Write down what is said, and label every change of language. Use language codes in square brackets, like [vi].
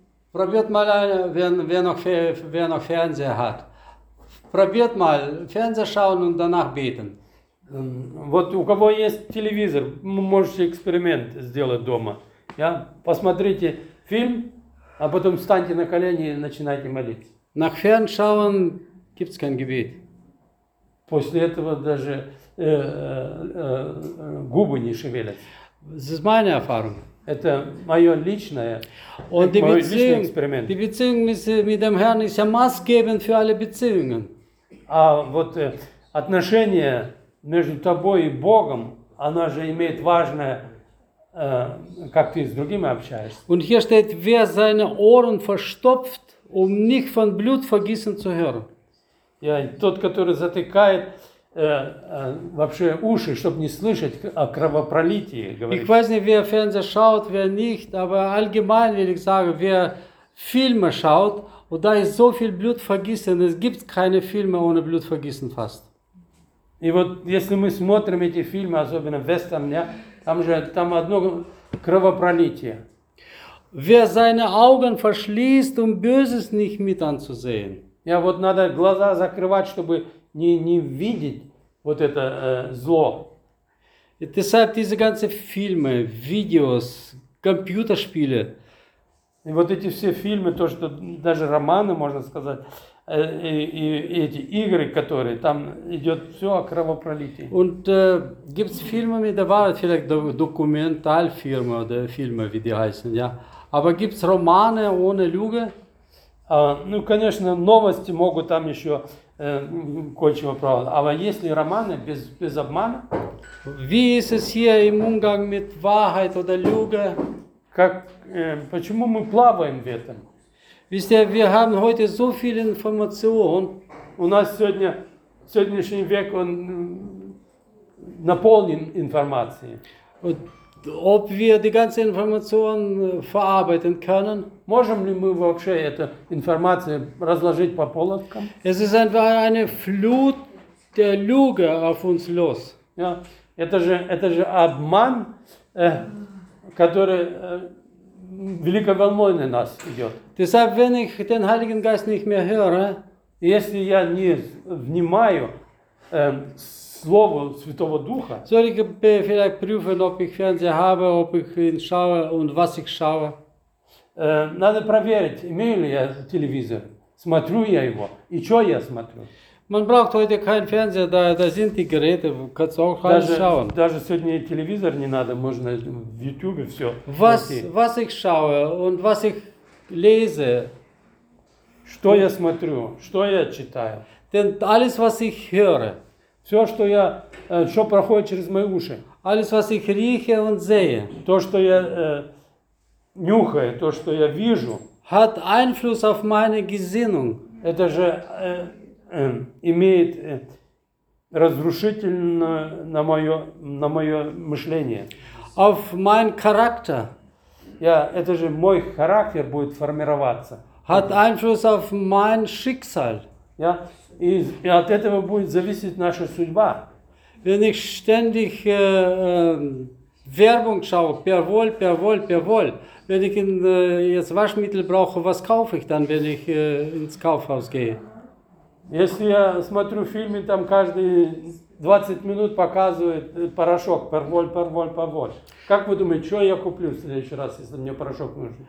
[de] Probiert mal, wer noch Fernseher hat. Probiert mal, Fernseher schauen und danach beten. [ru] Вот у кого есть телевизор, можете эксперимент сделать дома. [de] Ja? [ru] Посмотрите фильм, а потом встаньте на колени и начинайте молиться. [de] Nach Fernschauen gibt's kein Gebet. [ru] После этого даже губы не шевелятся. [de] Das ist meine Erfahrung. [ru] Это мое личное, [de] und [ru] это мой личный эксперимент. [de] Die Beziehung mit dem Herrn ist ja maßgebend für alle Beziehungen. [ru] А вот отношение между тобой и Богом, оно же имеет важное, как ты с другими общаешься. [de] Und hier steht, wer seine Ohren verstopft, um nicht von Blutvergießen zu hören. [ru] Ja, тот, который затыкает вообще уши, чтобы не слышать о кровопролитии. Говорит. [de] Ich weiß nicht, wer Fernseher schaut, wer nicht, aber allgemein will ich sagen, wer Filme schaut, und da ist so viel Blut vergissen, es gibt keine Filme ohne Blut vergissen fast. [ru] И вот если мы смотрим эти фильмы, особенно вестерн, там одно кровопролитие. [de] Wer seine Augen verschließt, um Böses nicht mit anzusehen. [ru] Ja, вот надо глаза закрывать, чтобы не видеть вот это зло. [de] Deshalb diese ganzen Filme, Videos, Computerspiele. [ru] И вот эти все фильмы, то, что даже романы, можно сказать, и эти игры, которые, там идет все о кровопролитии. [de] Und gibt's Filme mit der Wahrheit, vielleicht Dokumentalfilme oder Filme, wie die heißen, ja. Aber gibt's Romane ohne Lüge? [ru] Ну, конечно, новости могут там еще кое-чего правда. А вот есть ли романы без обмана? [de] Wie ist es hier im Umgang mit Wahrheit oder Lüge? [ru] Как, почему мы плаваем в этом? [de] Wisst ihr, wir haben heute so viel Information. [ru] У нас сегодня, сегодняшний век, он наполнен информацией. [de] Ob wir die ganze Information verarbeiten können. [ru] Можем ли мы вообще эту информацию разложить по полочкам? [de] Es ist einfach eine Flut der Lüge auf uns los. [ru] Ja, это же обман, который великой волной на нас идет. [de] Deshalb, wenn ich den Heiligen Geist nicht mehr höre, [ru] если я не внимаю, Слово Святого Духа. [de] Soll ich vielleicht prüfen, ob ich Fernseher habe, ob ich ihn schaue und was ich schaue? [ru] Надо проверить, имею ли я телевизор. Смотрю я его. И что я смотрю? [de] Man braucht heute keinen Fernseher, da sind die Geräte, kannst auch alles schauen. [ru] Даже сегодня телевизор не надо, можно в YouTube все. [de] Was ich schaue und was ich lese. [ru] Что я смотрю, что я читаю. [de] Denn alles, was ich höre. [ru] Все, что я, что проходит через мои уши. [de] Alles, was ich rieche und sehe. [ru] То, что я нюхаю, то, что я вижу. [de] Hat Einfluss auf meine Gesinnung. [ru] Это же имеет разрушительно на мое мышление. [de] Auf mein Charakter. [ru] Ja, это же мой характер будет формироваться. [de] Hat Einfluss auf mein Schicksal. Ja. [ru] И от этого будет зависеть наша судьба. [de] Wenn ich ständig Werbung schaue, per wohl, wenn ich jetzt Waschmittel brauche, was kaufe ich dann, wenn ich ins Kaufhaus gehe? [ru] Если я смотрю фильмы, там каждые 20 минут показывает порошок, порволь, порволь, порволь. Как вы думаете, что я куплю в следующий раз, если мне порошок нужен?